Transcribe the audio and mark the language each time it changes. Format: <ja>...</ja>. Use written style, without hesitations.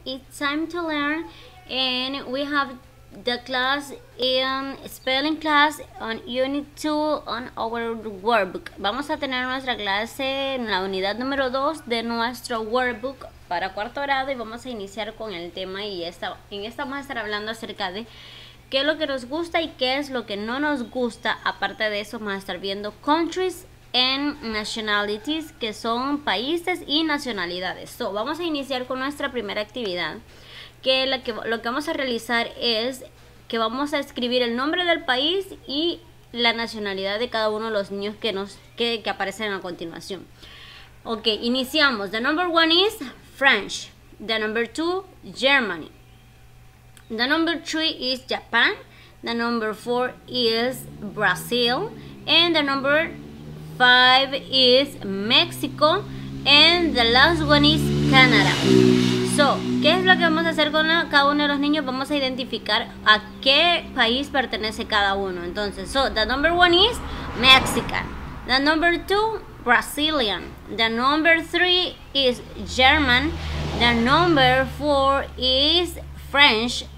<en>It's time to learn, and we have the class in spelling class on unit 2 on our workbook.</en> <es>Vamos a tener nuestra clase en la unidad número 2 de nuestro workbook para cuarto grado y vamos a iniciar con el tema y en esta vamos a estar hablando acerca de qué es lo que nos gusta y qué es lo que no nos gusta. Aparte de eso, vamos a estar viendo countries en nationalities, que son países y nacionalidades. So, vamos a iniciar con nuestra primera actividad, que lo que vamos a realizar es que vamos a escribir el nombre del país y la nacionalidad de cada uno de los niños que aparecen a continuación. Ok, iniciamos.</es> <en>The number one is French. The number two, Germany. The number three is Japan. The number four is Brazil. And the number 5 is Mexico, and the last one is Canada.</en> <es>So, ¿qué es lo que vamos a hacer con cada uno de los niños? Vamos a identificar a qué país pertenece cada uno.</es> <en>Entonces, so, the number 1 is Mexican. The number 2, Brazilian. The number 3 is German. The number 4 is French.</en>